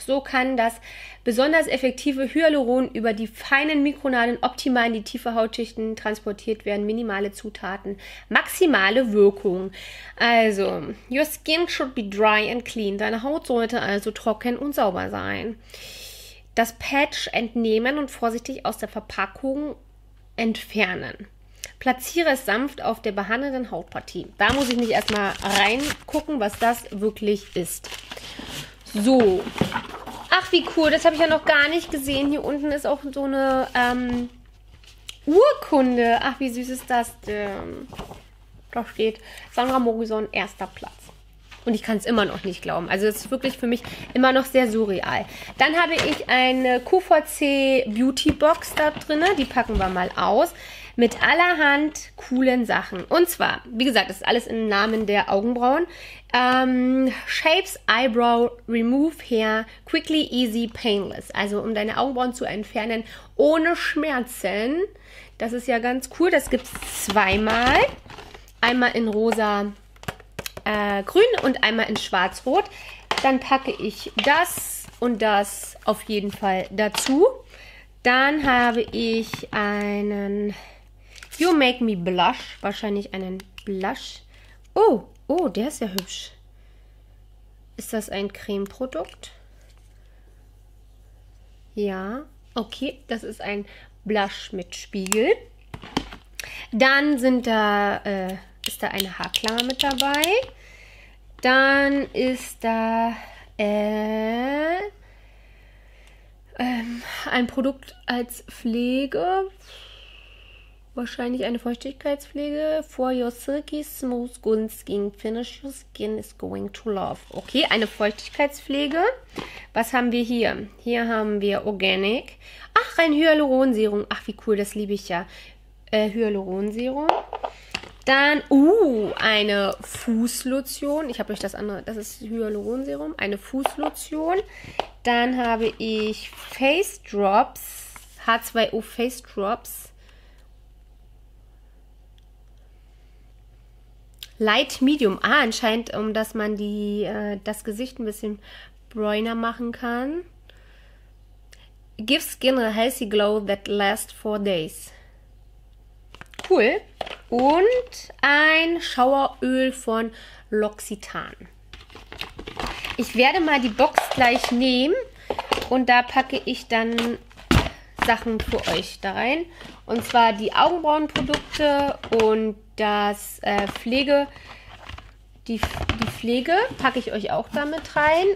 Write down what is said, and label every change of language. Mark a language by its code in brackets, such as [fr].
[de] So kann das besonders effektive Hyaluron über die feinen Mikronadeln optimal in die tiefe Hautschichten transportiert werden. Minimale Zutaten, maximale Wirkung. [en] Also, your skin should be dry and clean. [de] Deine Haut sollte also trocken und sauber sein. Das Patch entnehmen und vorsichtig aus der Verpackung entfernen. Platziere es sanft auf der behandelten Hautpartie. Da muss ich nicht erstmal reingucken, was das wirklich ist. So. Ach, wie cool. Das habe ich ja noch gar nicht gesehen. Hier unten ist auch so eine Urkunde. Ach, wie süß ist das denn? Da steht Sandra Morrison, erster Platz. Und ich kann es immer noch nicht glauben. Also es ist wirklich für mich immer noch sehr surreal. Dann habe ich eine QVC Beauty Box da drin. Die packen wir mal aus. Mit allerhand coolen Sachen. Und zwar, wie gesagt, das ist alles im Namen der Augenbrauen. [en] Shapes Eyebrow Remove Hair Quickly Easy Painless. [de] Also um deine Augenbrauen zu entfernen ohne Schmerzen. Das ist ja ganz cool. Das gibt es zweimal. Einmal in rosa grün und einmal in schwarz-rot. Dann packe ich das und das auf jeden Fall dazu. Dann habe ich einen... [en] You make me blush. [de] Wahrscheinlich einen Blush. Oh, Oh, der ist ja hübsch. Ist das ein Creme-Produkt? Ja, okay, das ist ein Blush mit Spiegel. Dann sind da, ist da eine Haarklammer mit dabei. Dann ist da ein Produkt als Pflege. Wahrscheinlich eine Feuchtigkeitspflege. [en] For your silky smooth golden skin, finish your skin is going to love. [de] Okay, eine Feuchtigkeitspflege. Was haben wir hier? Hier haben wir Organic. Ach, ein Hyaluronserum. Ach, wie cool, das liebe ich ja. Hyaluronserum. Dann, eine Fußlotion. Ich habe euch das andere. Das ist Hyaluronserum. Eine Fußlotion. Dann habe ich Face Drops. H2O Face Drops. Light Medium. Ah, anscheinend, um dass man das Gesicht ein bisschen bräuner machen kann. [en] Give skin a healthy glow that lasts 4 days. [de] Cool. Und ein Schaueröl von L'Occitane. Ich werde mal die Box gleich nehmen und da packe ich dann Sachen für euch da rein. Und zwar die Augenbrauenprodukte und das die Pflege packe ich euch auch damit rein.